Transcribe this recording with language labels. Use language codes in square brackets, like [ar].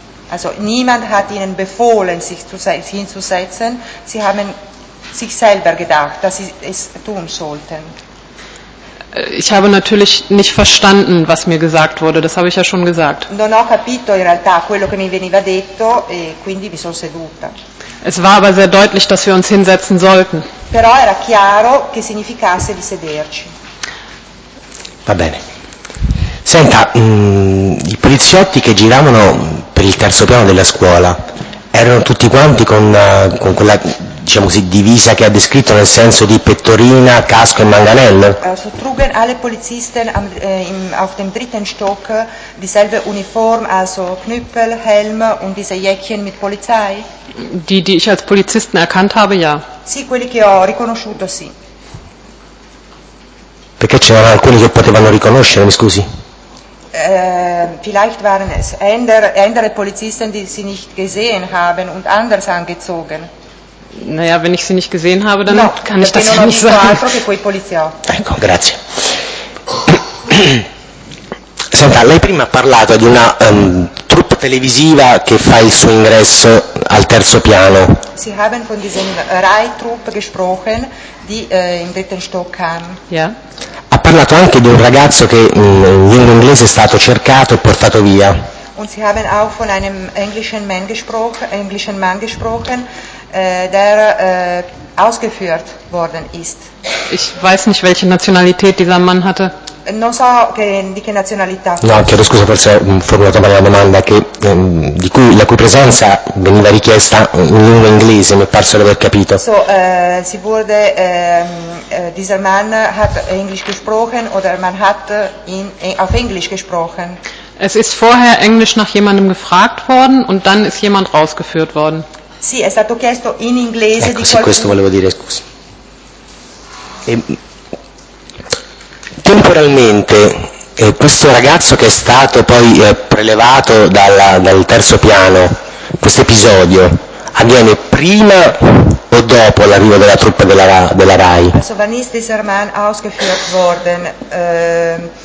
[de] Also niemand hat Ihnen befohlen, sich hinzusetzen. Sie haben sich selber gedacht, dass Sie es tun sollten. Ich habe natürlich nicht verstanden, was mir gesagt wurde. Das habe ich ja schon gesagt. [it] Non ho capito in realtà quello che mi veniva detto e quindi mi sono seduta. [de] Es war aber sehr deutlich, dass wir uns hinsetzen sollten. [it] Però era chiaro che significasse di sederci. Va bene. Senta, i poliziotti che giravano per il terzo piano della scuola erano tutti quanti con quella, diciamo così, divisa che ha descritto, nel senso di pettorina, casco e manganello? [de] So trugen alle polizisten am, auf dem dritten Stock dieselbe Uniform, also Knüppel, Helm und diese Jäckchen mit Polizei? Die ich als Polizisten erkannt habe, ja. [it] Sì, quelli che ho riconosciuto, sì. Perché c'erano alcuni che potevano riconoscere, mi scusi? [de] Vielleicht waren es andere Polizisten, die sie nicht gesehen haben und anders angezogen. Naja, wenn ich sie nicht gesehen habe, dann no, kann ich das ja nicht sagen. [it] Altro che quei poliziotti. Ecco, grazie. Senta, lei prima ha parlato di una troupe televisiva che fa il suo ingresso al terzo piano. [de] Sie haben von diesem Reittrupp gesprochen, die im dritten Stock kam. Ja. [it] Ha parlato anche di un ragazzo che in inglese è stato cercato e portato via. [de] Und sie haben auch von einem englischen Mann gesprochen, der ausgeführt worden ist. Ich weiß nicht, welche Nationalität dieser Mann hatte. [it] Non so che, di che nazionalità. No, chiedo scusa, forse ho formulato male la domanda, che, di cui, la cui presenza veniva richiesta in lingua inglese, mi è parso di aver capito. [de] So, si wurde, dieser Mann hat Englisch gesprochen, oder man hat ihn auf Englisch gesprochen. Es ist vorher Englisch nach jemandem gefragt worden und dann ist jemand rausgeführt worden. [it] Sì, è stato chiesto in inglese, ecco, di sì, qualcuno. Questo volevo dire, scusi. Temporalmente, questo ragazzo che è stato poi prelevato dal terzo piano, questo episodio avviene prima o dopo l'arrivo della truppa della RAI? [de] Also, wann ist dieser Mann ausgeführt worden?